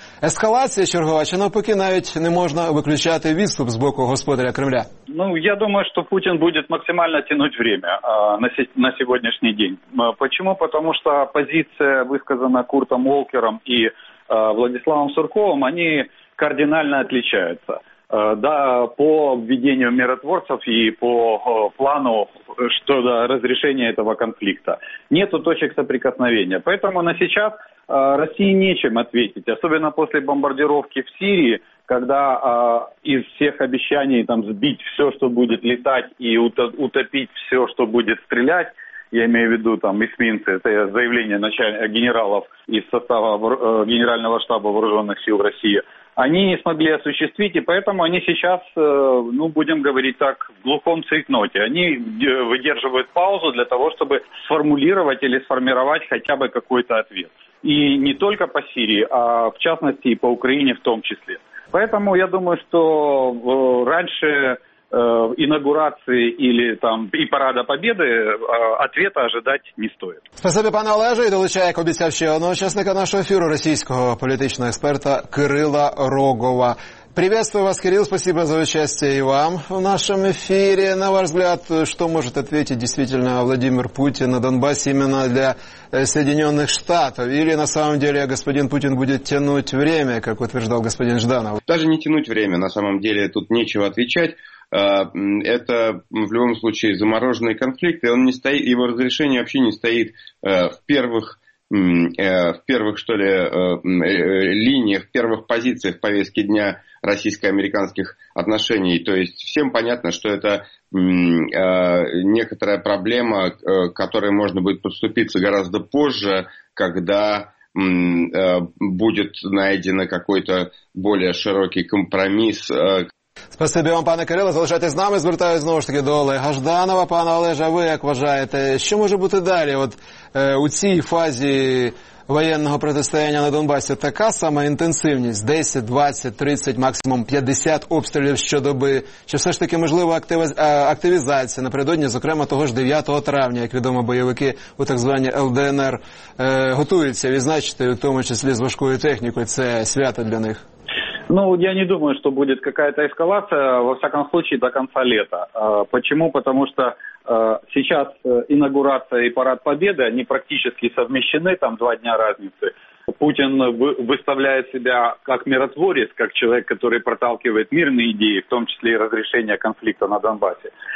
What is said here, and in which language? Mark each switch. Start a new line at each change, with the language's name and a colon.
Ukrainian: Ескалація чергова, чи навпаки навіть не можна виключати відступ з боку господаря Кремля? Ну, я думаю, що Путін буде максимально тягнути час на сьогоднішній день. Чому? Тому що позиція, висказана Куртом Волкером і Владиславом Сурковим, вони кардинально відрізняються.
Russian: Да, по введению миротворцев и по плану разрешения этого конфликта. Нету точек соприкосновения. Поэтому на сейчас России нечем ответить. Особенно после бомбардировки в Сирии, когда из всех обещаний там сбить все, что будет летать, и утопить все, что будет стрелять, я имею в виду там эсминцы, это заявление генералов из состава Генерального штаба Вооруженных сил России, они не смогли осуществить, и поэтому они сейчас, будем говорить так, в глухом цейтноте. Они выдерживают паузу для того, чтобы сформулировать или сформировать хотя бы какой-то ответ. И не только по Сирии, а в частности и по Украине в том числе. Поэтому я думаю, что раньше інаугурації или там і парада победы ответа ожидать не стоит.
Ukrainian: Спасибі, пане Олеже, і долучаю, як обіцяв, ще одного учасника нашого ефіру, російського політичного експерта Кирила Рогова.
Russian: Приветствую вас, Кирилл, спасибо за участие и вам в нашем эфире. На ваш взгляд, что может ответить действительно Владимир Путин на Донбассе именно для Соединенных Штатов? Или на самом деле господин Путин будет тянуть время, как утверждал господин Жданов? Даже не тянуть время, на самом деле тут нечего отвечать. Это в любом случае замороженный конфликт, и он не стоит, его разрешение вообще не стоит в первых линиях, в первых позициях повестки дня российско-американских отношений. То есть всем понятно, что это некоторая проблема, к которой можно будет подступиться гораздо позже, когда будет найден какой-то более широкий компромисс.
Ukrainian: Спасибі вам, пане Кирило, залишайтесь з нами. Звертаюсь знову ж таки до Олега Жданова. Пане Олеже, а ви як вважаєте, що може бути далі от у цій фазі воєнного протистояння на Донбасі? Така сама інтенсивність? 10, 20, 30, максимум 50 обстрілів щодоби? Чи все ж таки можлива активізація напередодні, зокрема того ж 9 травня, як відомо, бойовики у так званій ЛДНР готуються відзначити, в тому числі з важкою технікою, це свято для них?
Russian: Ну, я не думаю, что будет какая-то эскалация, во всяком случае, до конца лета. Почему? Потому что сейчас инаугурация и парад победы, они практически совмещены, там 2 дня разницы. Путин выставляет себя как миротворец, как человек, который проталкивает мирные идеи, в том числе и разрешение конфликта на Донбассе.